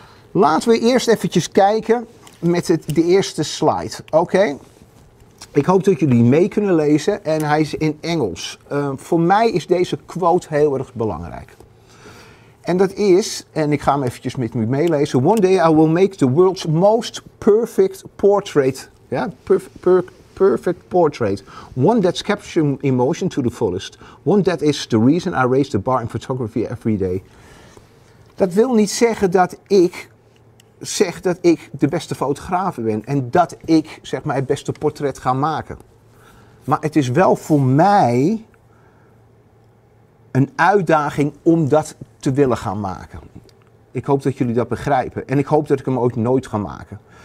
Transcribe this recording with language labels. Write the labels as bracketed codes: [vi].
[nl] Laten we eerst eventjes kijken met de eerste slide. Oké. Okay. Ik hoop dat jullie mee kunnen lezen en hij is in Engels. Voor mij is deze quote heel erg belangrijk. En dat is, en ik ga hem eventjes met u meelezen. [en] One day I will make the world's most perfect portrait. Yeah? Perfect portrait. One that's captured emotion to the fullest. One that is the reason I raise the bar in photography every day. [nl] Dat wil niet zeggen dat ik... zeg dat ik de beste fotograaf ben en dat ik het beste portret ga maken. Maar het is wel voor mij een uitdaging om dat te willen gaan maken. Ik hoop dat jullie dat begrijpen en ik hoop dat ik hem ooit nooit ga maken.